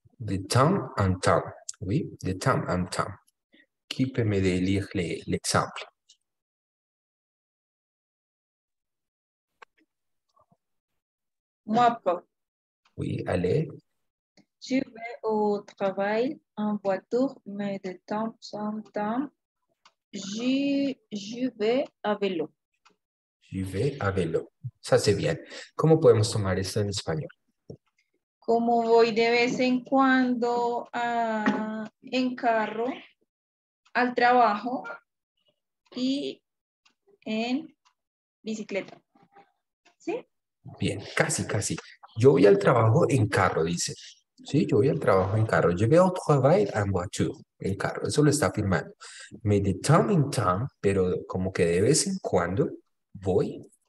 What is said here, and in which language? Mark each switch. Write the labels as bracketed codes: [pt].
[fr] De temps en temps, oui, de temps en temps. [es] Quípeme de elegir el ejemplo. Mapa. [fr] Oui, allez. Je vais au travail en voiture, mais de temps en temps, je vais à vélo. Je vais à vélo. Ça, c'est bien. [es] ¿Cómo podemos tomar esto en español? Como voy de vez en cuando en carro al trabajo y en bicicleta. ¿Sí? Bien, casi, casi. Yo voy al trabajo en carro, dice. Sí, yo voy al trabajo en carro. [fr] Je vais au travail en voiture, [es] en carro. Eso lo está afirmando. [fr] Mais de temps en temps, [es] pero como que de vez en cuando voy